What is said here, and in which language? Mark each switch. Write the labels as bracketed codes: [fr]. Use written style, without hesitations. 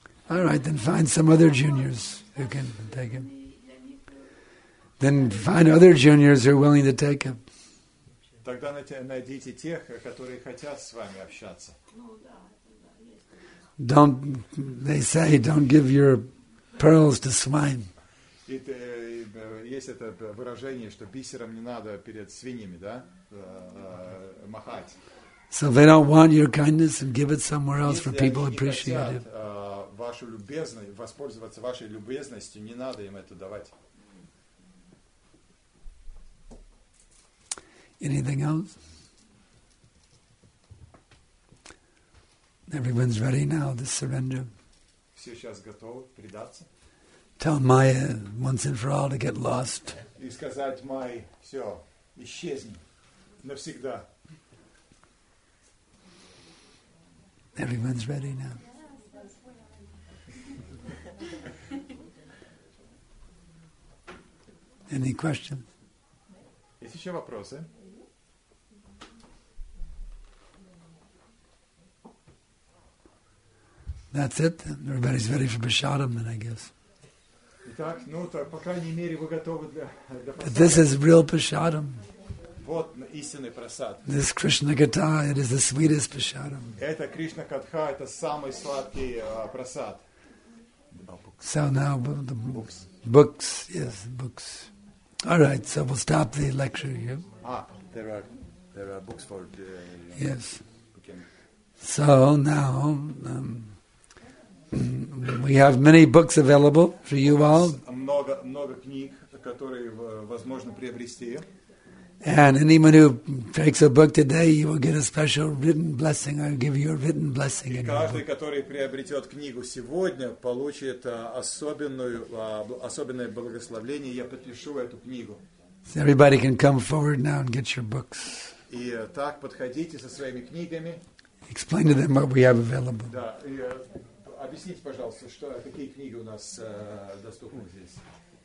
[en] All right, then find some other juniors who can take him. Then find other juniors who are willing to take him. [ru] Тогда найдите тех, которые хотят с вами общаться. [en] Don't, they say, don't give your pearls to swine. [ru] Есть это выражение, что бисером не надо перед свиньями, да, махать. [en] So they don't want your kindness and give it somewhere else for people who appreciate it. [ru] Вашу любезность, воспользоваться вашей любезностью, не надо им это давать. [en] Anything else? Everyone's ready now to surrender. [ru] Все сейчас готовы предаться. [en] Tell Maya once and for all to get lost. [ru] И сказать Майе, все, исчезни навсегда. [en] Everyone's ready now. Any questions? [ru] Есть еще вопросы? [en] That's it. Everybody's ready for Bishadam, then, I guess. [ru] Итак, ну то по крайней мере вы готовы для. [en] But this is real Bishadam. [ru] Вот истинный просад. [en] This Krishna Katha, it is the sweetest Bishadam. [ru] Это Кришна Катха, это самый сладкий просад. [en] So now the books. Books, yes, books. All right, so we'll stop the lecture here. There are books for the. Yes. So now. We have many books available for you all. [ru] Много книг, которые возможно приобрести. [en] And anyone who takes a book today, you will get a special written blessing. I'll give you a written blessing. [ru] И каждый, который приобретет книгу сегодня, получит особенное благословение. Я подпишу эту книгу. [en] So everybody can come forward now and get your books. [ru] И так подходите со своими книгами. [en] Explain to them what we have available. [ru] Да. Объясните, пожалуйста, какие книги у нас доступны здесь.